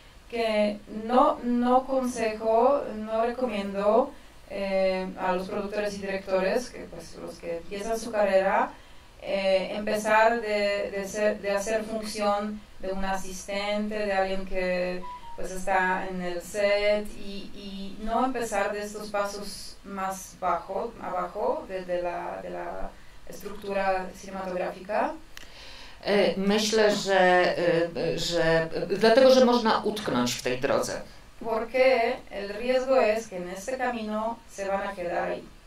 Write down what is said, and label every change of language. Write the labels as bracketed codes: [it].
[es] Que no consejo, no recomiendo a los productores y directores, que, pues, los que empiezan su carrera, empezar de hacer función de un asistente, de alguien que pues está en el set y no empezar de estos pasos más abajo de la estructura cinematográfica. [pl] Myślę, że dlatego, że można utknąć w tej drodze. [es] Porque el riesgo es que en este camino se van a quedar ahí.